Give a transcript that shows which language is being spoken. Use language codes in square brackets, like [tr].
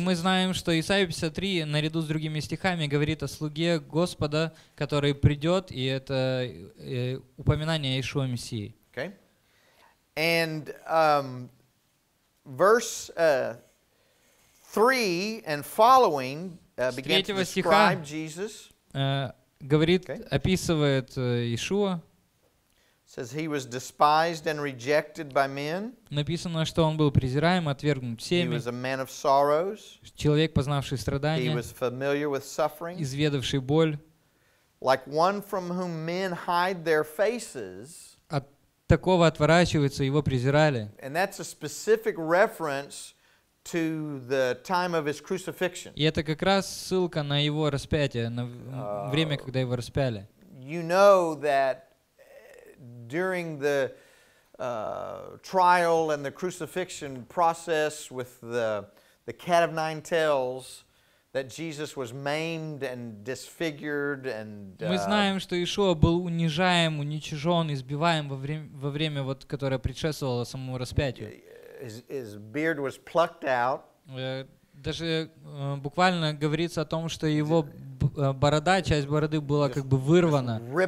[ru] И мы знаем, что Исаия 53 наряду с другими стихами говорит о слуге Господа, который придет, и это упоминание о Иешуа Мессии. [en] Okay. And verse 3 and following begin to describe Jesus. [ru] Говорит, описывает Иешуа. [en] Says he was despised and rejected by men. [ru] Написано, что он был презираем, отвергнут всеми. [en] He was a man of sorrows. [ru] Человек, познавший страдания. [en] He was familiar with suffering. [ru] Изведавший боль. [en] Like one from whom men hide their faces. [ru] От такого отворачиваются, его презирали. [en] And that's a specific reference to the time of his crucifixion. [ru] И это как раз ссылка на его распятие, на время, когда его распяли. [en] You know that during the trial and the crucifixion process with the cat of nine tails, that Jesus was maimed and disfigured and. [ru] Мы знаем, что Иешуа был унижаем, уничижен, избиваем во время вот, которое предшествовало самому распятию. [en] His beard was plucked out. [ru] Даже буквально говорится о том, что его борода, часть бороды была как бы вырвана.